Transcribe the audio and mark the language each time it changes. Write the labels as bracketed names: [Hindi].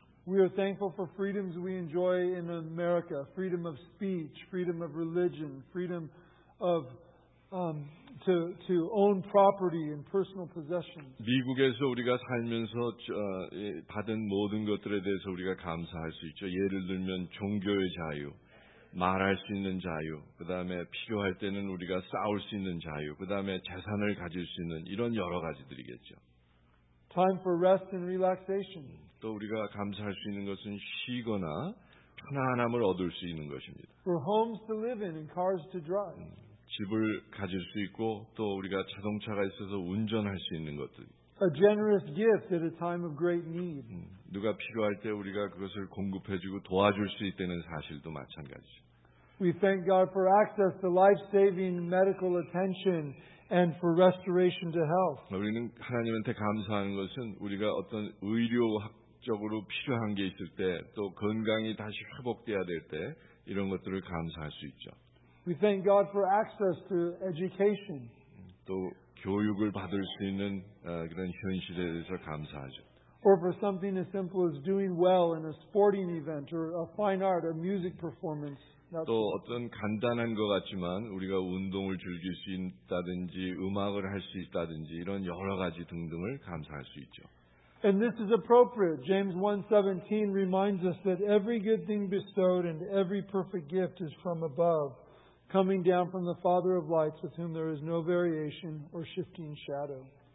[English] We are thankful for freedoms we enjoy in America. Freedom of speech, freedom of religion, freedom of to own property and personal possessions. [Korean] 미국에서 우리가 살면서 받은 모든 것들에 대해서 우리가 감사할 수 있죠. 예를 들면 종교의 자유, 말할 수 있는 자유, 그 다음에 필요할 때는 우리가 싸울 수 있는 자유, 그 다음에 재산을 가질 수 있는 이런 여러 가지들이겠죠. [English] Time for rest and relaxation. [Korean] 또 우리가 감사할 수 있는 것은 쉬거나 편안함을 얻을 수 있는 것입니다. [English] For homes to live in and cars to drive. [Korean] 집을 가질 수 있고 또 우리가 자동차가 있어서 운전할 수 있는 것들. [English] A generous gift at a time of great need. [Korean] 누가 필요할 때 우리가 그것을 공급해주고 도와줄 수 있다는 사실도 마찬가지. [English] We thank God for access to life-saving medical attention and for restoration to health. [Korean] 우리는 하나님한테 감사하는 것은 우리가 어떤 의료학적으로 필요한 게 있을 때 또 건강이 다시 회복돼야 될 때 이런 것들을 감사할 수 있죠. [English] We thank God for access to education. [Korean] 또 교육을 받을 수 있는 그런 현실에 대해서 감사하죠. [English] Or for something as simple as doing well in a sporting event or a fine art or music performance. [Korean] 또 어떤 간단한 것 같지만 우리가 운동을 즐길 수 있다든지 음악을 할 수 있다든지 이런 여러 가지 등등을 감사할 수 있죠. [English] And this is appropriate. James 1:17 reminds us that every good thing bestowed and every perfect gift is from above. Coming down from the Father of lights, with whom there is no variation or shifting shadow.